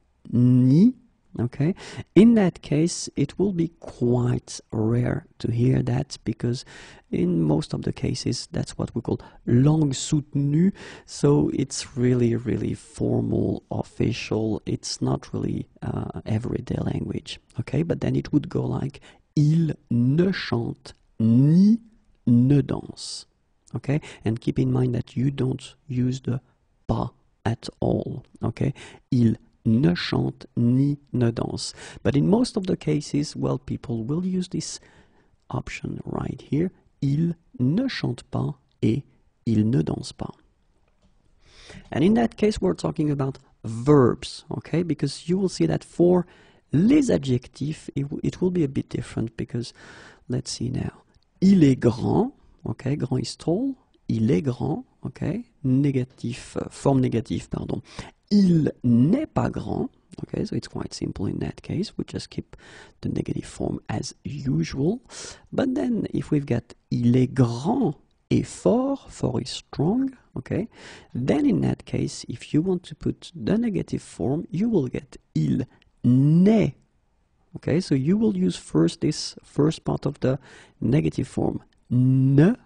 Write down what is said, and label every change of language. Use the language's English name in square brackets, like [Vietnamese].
[English] ni, okay, in that case it will be quite rare to hear that because in most of the cases that's what we call langue soutenue, so it's really really formal, official, it's not really everyday language, okay, but then it would go like [French] il ne chante ni ne danse, [English] okay, and keep in mind that you don't use the pas at all, okay? [French] Il ne chante ni ne danse. [English] But in most of the cases, well, people will use this option right here. [French] Il ne chante pas et il ne danse pas. [English] And in that case, we're talking about verbs, okay? Because you will see that for les adjectifs, it will be a bit different because, let's see now. [French] Il est grand, [English] okay? Grand is tall. [French] Il est grand, ok, négatif, forme négative, pardon. Il n'est pas grand, [English] ok, so it's quite simple in that case, we just keep the negative form as usual. But then, if we've got [French] il est grand et fort, [English] fort is strong, ok, then in that case, if you want to put the negative form, you will get il n'est, ok, so you will use first this first part of the negative form, ne.